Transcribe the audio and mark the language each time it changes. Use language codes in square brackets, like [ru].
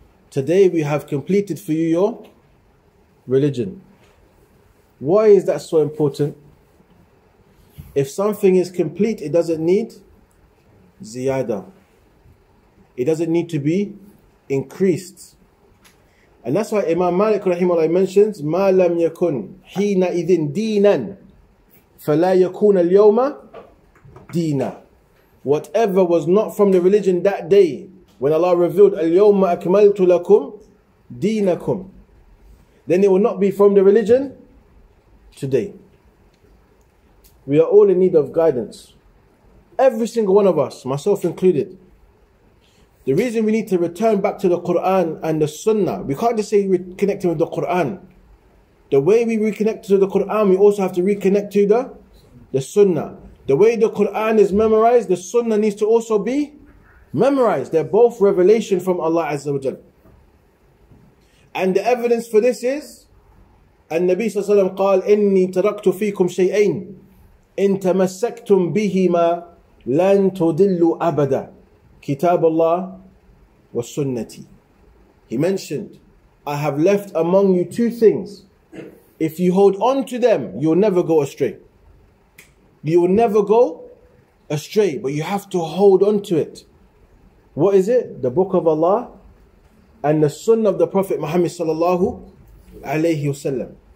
[en] Today we have completed for you your religion. Why is that so important? If something is complete, it doesn't need ziyada. It doesn't need to be increased. And that's why Imam Malik rahimahullah mentions, [ar] ما لم يكن حين إذن دينا فلا يكون اليوم دينا. [en] Whatever was not from the religion that day, when Allah revealed, [ar] اليوم أكملت لكم دينكم, [en] then it will not be from the religion today. We are all in need of guidance. Every single one of us, myself included. The reason we need to return back to the Quran and the Sunnah, we can't just say reconnecting with the Quran. The way we reconnect to the Quran, we also have to reconnect to the Sunnah. The way the Quran is memorized, the Sunnah needs to also be memorized. They're both revelation from Allah Azza wa Jalla. And the evidence for this is, [ar] النبي صلى الله عليه وسلم قال إني تركت فيكم شيئين إن تمسكتم بهما لن تضلوا أبدا كتاب الله والسنة. [en] He mentioned, I have left among you two things. If you hold on to them, you will never go astray. You will never go astray, but you have to hold on to it. What is it? The Book of Allah and the Sunnah of the Prophet Muhammad sallallahu alayhi wasallam.